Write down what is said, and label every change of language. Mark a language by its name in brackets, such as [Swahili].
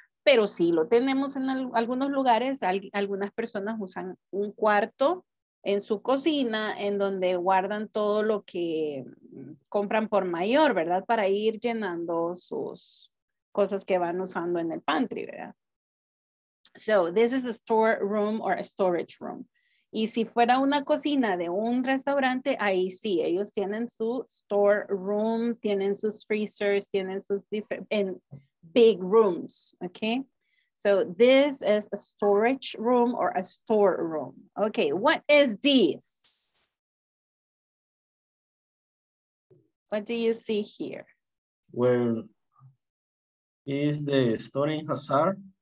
[Spanish] Pero sí, lo tenemos en algunos lugares. Algunas personas usan un cuarto en su cocina en donde guardan todo lo que compran por mayor, ¿verdad? Para ir llenando sus cosas que van usando en el pantry, ¿verdad? [English] So, this is a store room or a storage room. [Spanish] Y si fuera una cocina de un restaurante, ahí sí, ellos tienen su store room, tienen sus freezers, tienen sus diferentes... [English] Big rooms, okay? So this is a storage room or a storeroom. Okay, what is this? What do you see here? Well, is the storing hazard?